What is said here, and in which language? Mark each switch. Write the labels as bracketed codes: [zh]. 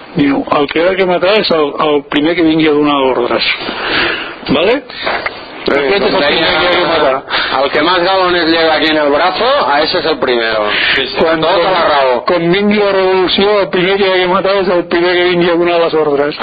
[ca] Diu, el que ha de matar és el primer que vingui a donar ordres. Vale? Aquest és el primer que ha de matar. [es] El que más galones lleva aquí en el brazo, a ese es el primero. [ca] Quan, tota la raó. Quan vingui la revolució, el primer que ha de matar és el primer que vingui a donar les ordres.